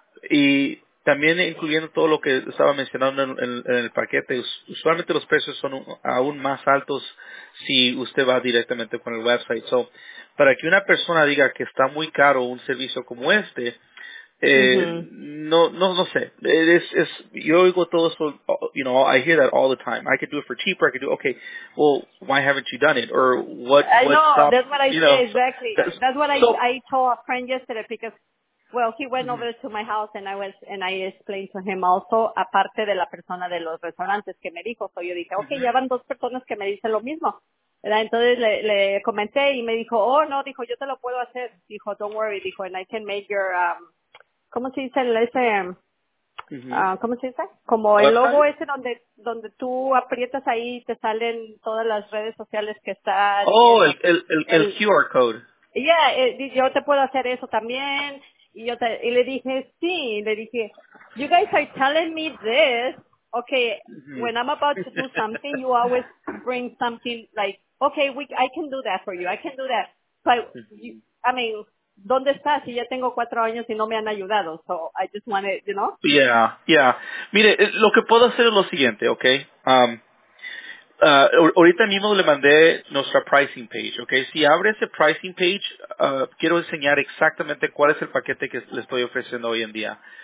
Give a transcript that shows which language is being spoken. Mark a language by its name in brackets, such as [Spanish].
[Spanish] Y también incluyendo todo lo que estaba mencionando en el paquete, usualmente los precios son aún más altos si usted va directamente con el website. So, para que una persona diga que está muy caro un servicio como este, no sé. Es yo oigo todo eso, [English] I hear that all the time. I could do it for cheaper. I could do, okay, well, why haven't you done it? Or what I know, stopped, that's what I say, exactly. That's what I told a friend yesterday, because Well, he went over to my house and I explained to him also, [Spanish] aparte de la persona de los restaurantes que me dijo. So yo dije, okay, ya van dos personas que me dicen lo mismo. Entonces le comenté y me dijo, oh, no, dijo, yo te lo puedo hacer. Dijo, [English] don't worry, [Spanish] dijo, [English] and I can make your, [Spanish] ¿cómo se dice el ese? ¿Cómo se dice? Como el logo ese donde tú aprietas ahí y te salen todas las redes sociales que están. Oh, el QR code. Yeah, yo te puedo hacer eso también. Y le dije, sí, le dije, [English] you guys are telling me this. Okay, when I'm about to do something, you always bring something like, okay, I can do that for you. I can do that. But, [Spanish] ¿dónde estás? Si ya tengo 4 años y no me han ayudado. [English] So, I just wanted, you know. Yeah. [Spanish] Mire, lo que puedo hacer es lo siguiente, okay. Ahorita mismo le mandé nuestra pricing page, okay. Si abre ese pricing page, quiero enseñar exactamente cuál es el paquete que le estoy ofreciendo hoy en día.